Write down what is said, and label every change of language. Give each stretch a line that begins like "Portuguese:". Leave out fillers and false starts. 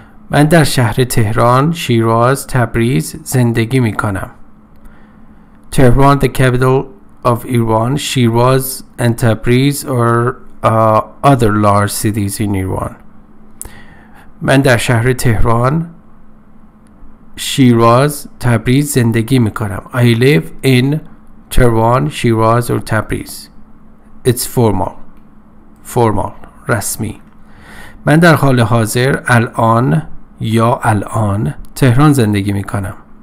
Persian: من در شهر تهران, شیراز, تبریز زندگی می کنم.
English: Tehran, the capital of Iran, Shiraz and Tabriz are other large cities in Iran.
Persian: من در شهر تهران, شیراز, تبریز زندگی می کنم.
English: I live in Tehran, Shiraz or Tabriz. It's formal. Formal. رسمی.
Persian: من در حال حاضر الان یا الان تهران زندگی می کنم.